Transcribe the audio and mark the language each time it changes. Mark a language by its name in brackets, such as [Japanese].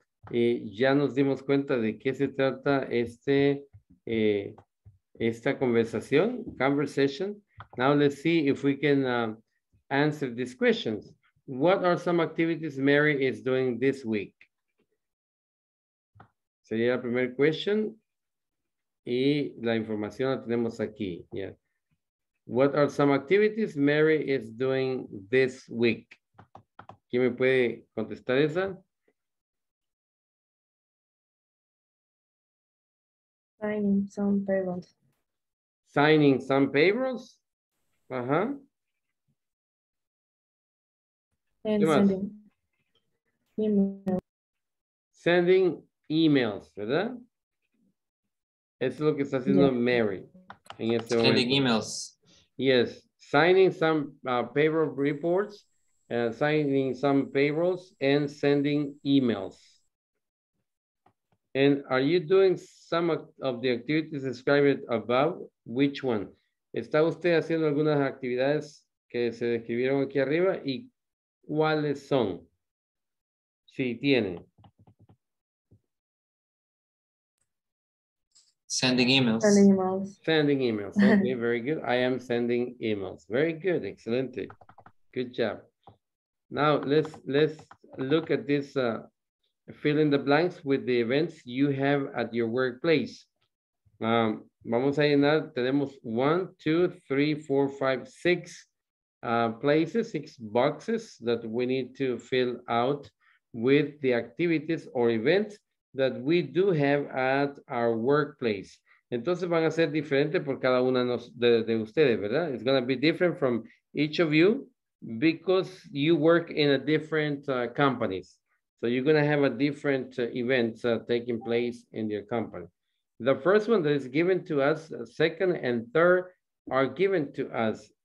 [Spanish] Ya nos dimos cuenta de qué se trata esta conversación, [English] conversation. Now let's see if we can answer these questions. What are some activities Mary is doing this week? [Spanish] Sería la primera [English] question. [Spanish] Y la información la tenemos aquí. Yeah. [English] What are some activities Mary is doing this week? [Spanish] ¿Quién me puede contestar esa? [English] Signing some papers. Signing some papers? Ajá. And sending emails. Sending emails, [Spanish] ¿verdad? Eso es lo que está haciendo yeah. Mary en este momento. [English] Sending emails. Yes, signing some payroll reports, signing some payrolls, and sending emails. And are you doing some of the activities described above? Which one? [Spanish] ¿Está usted haciendo algunas actividades que se describieron aquí arriba? ¿Y cuáles son? Si tiene. [English] Sending emails. Sending emails. Sending emails. Okay, very good. I am sending emails. Very good. Excellent. Good job. Now let's look at this fill in the blanks with the events you have at your workplace. [Spanish] Vamos a llenar. [English] Tenemos 1, 2, 3, 4, 5, 6 places, 6 boxes that we need to fill out with the activities or events that we do have at our workplace. [Spanish] Entonces van a ser diferentes por cada una de ustedes, ¿verdad? [English] It's going to be different from each of you because you work in a different companies. So you're going to have a different event taking place in your company. The first one that is given to us, second and third are given to us.